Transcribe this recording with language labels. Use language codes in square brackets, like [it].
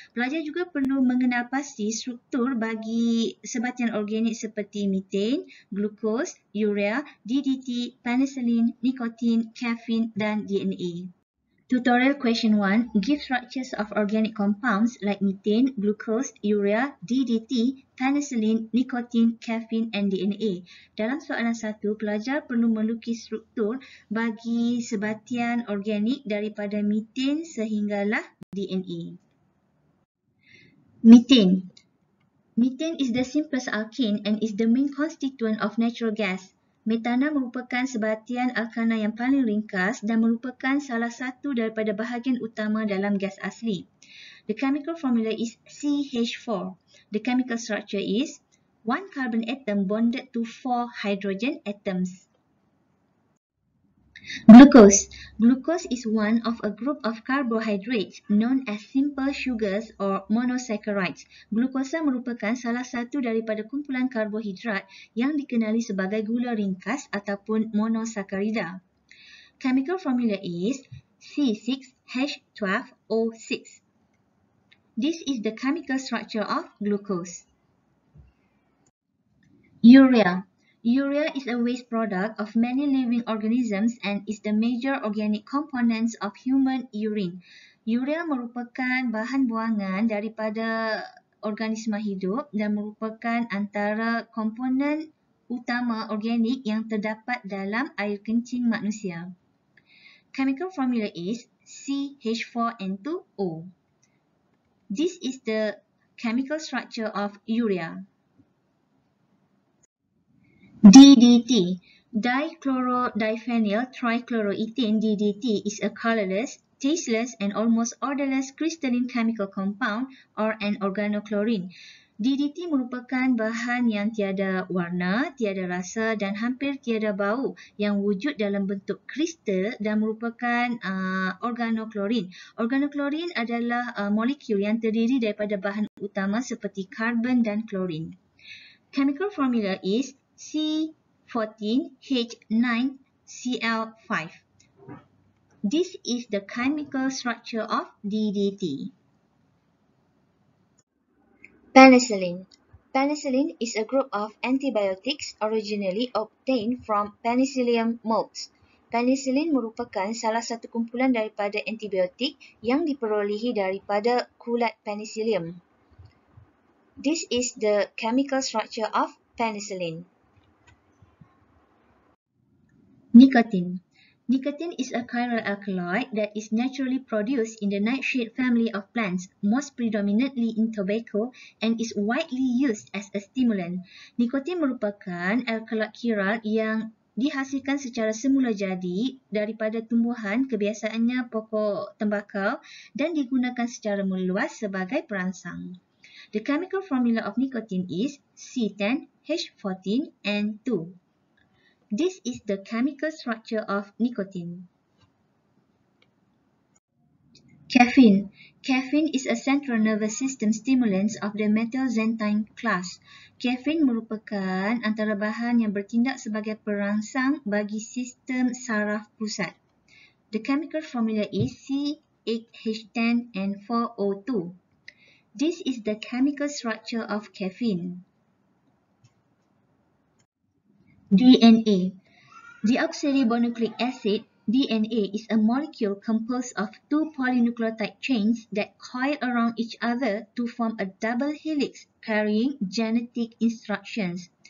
[ms] Pelajar juga perlu mengenal pasti struktur bagi sebatian organik seperti methane, glucose, urea, DDT, penicillin, nikotin, caffeine dan DNA. [en] Tutorial question 1. Give structures of organic compounds like methane, glucose, urea, DDT, penicillin, nicotine, caffeine and DNA. [ms] Dalam soalan 1, pelajar perlu melukis struktur bagi sebatian organik daripada methane sehinggalah DNA. [en] Methane. Methane is the simplest alkene and is the main constituent of natural gas. [ms] Metana merupakan sebatian alkana yang paling ringkas dan merupakan salah satu daripada bahagian utama dalam gas asli. [en] The chemical formula is CH4. The chemical structure is one carbon atom bonded to four hydrogen atoms. Glucose. Glucose is one of a group of carbohydrates known as simple sugars or monosaccharides. [ms] Glukosa merupakan salah satu daripada kumpulan karbohidrat yang dikenali sebagai gula ringkas ataupun monosakarida. [en] Chemical formula is C6H12O6. This is the chemical structure of glucose. Urea. Urea is a waste product of many living organisms and is the major organic components of human urine. [ms] Urea merupakan bahan buangan daripada organisma hidup dan merupakan antara komponen utama organik yang terdapat dalam air kencing manusia. [en] Chemical formula is CH4N2O. This is the chemical structure of urea. DDT, dichlorodiphenyl trichloroethane DDT is a colorless, tasteless and almost odorless crystalline chemical compound or an organochlorine. [ms] DDT merupakan bahan yang tiada warna, tiada rasa dan hampir tiada bau yang wujud dalam bentuk kristal dan merupakan organochlorine. Organochlorine adalah molekul yang terdiri daripada bahan utama seperti karbon dan klorin. [en] Chemical formula is C14H9Cl5. This is the chemical structure of DDT. Penicillin. Penicillin is a group of antibiotics originally obtained from Penicillium molds. [ms] Penicillin merupakan salah satu kumpulan daripada antibiotik yang diperolehi daripada kulat Penicillium. [en] This is the chemical structure of penicillin. Nicotine. Nicotine is a chiral alkaloid that is naturally produced in the nightshade family of plants, most predominantly in tobacco, and is widely used as a stimulant. [ms] Nicotine merupakan alkaloid chiral yang dihasilkan secara semula jadi daripada tumbuhan, kebiasaannya pokok tembakau, dan digunakan secara meluas sebagai perangsang. [en] The chemical formula of nicotine is C10H14N2. This is the chemical structure of nicotine. Caffeine. Caffeine is a central nervous system stimulant of the methylxanthine class. [ms] Caffeine merupakan antara bahan yang bertindak sebagai perangsang bagi sistem saraf pusat. [en] The chemical formula is C8H10N4O2. This is the chemical structure of caffeine. DNA. Deoxyribonucleic acid, DNA, is a molecule composed of two polynucleotide chains that coil around each other to form a double helix carrying genetic instructions.